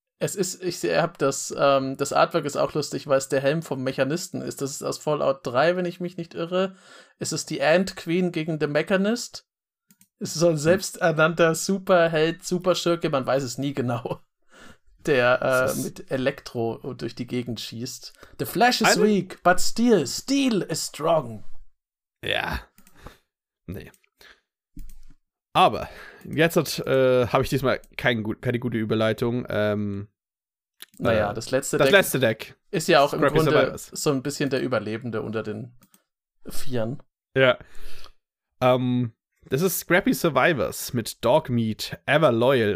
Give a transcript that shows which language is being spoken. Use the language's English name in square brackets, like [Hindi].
[German] Es ist, ich habe das, das Artwork ist auch lustig, weil es der Helm vom Mechanisten ist. Das ist aus Fallout 3, wenn ich mich nicht irre. Es ist die Ant Queen gegen The Mechanist. Es ist so ein selbsternannter Superheld, Superschurke, man weiß es nie genau, der mit Elektro durch die Gegend schießt. [English] The Flash is weak, but Steel is strong. [German] Ja. Nee. Aber jetzt habe ich diesmal keine gute Überleitung. Naja, das letzte Deck. Das letzte Deck. Ist ja auch Scrappy im Grunde Survivors. So ein bisschen der Überlebende unter den Vieren. Ja. Das ist Scrappy Survivors mit Dogmeat, Ever Loyal.